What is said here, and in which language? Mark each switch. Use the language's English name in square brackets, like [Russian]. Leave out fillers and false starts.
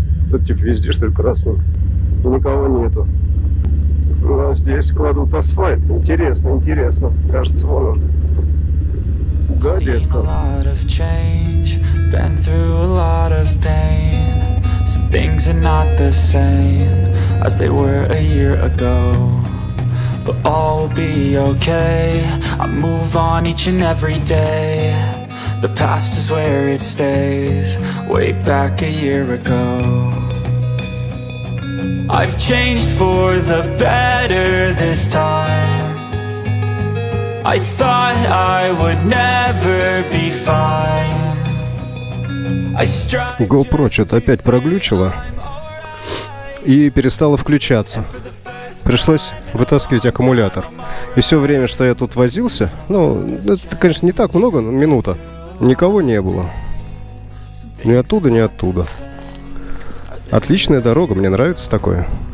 [Russian] Тут типа везде, что ли, красный. Никого нету. Но здесь кладут асфальт. Интересно, интересно. Кажется, вон он. Гадетка. [English] Seen a lot of change, been through a lot of pain. Some things are not the same as they were a year ago. But all will be okay. I move on each and every day. The past is where it stays. Way back a year ago. I've changed for the better this time. I thought I would never be fine. I strive. [Russian] GoPro что-то опять проглючило и перестало включаться. Пришлось вытаскивать аккумулятор. И все время, что я тут возился, ну, это, конечно, не так много, но минута. Никого не было. Ни оттуда, ни оттуда. Отличная дорога, мне нравится такое.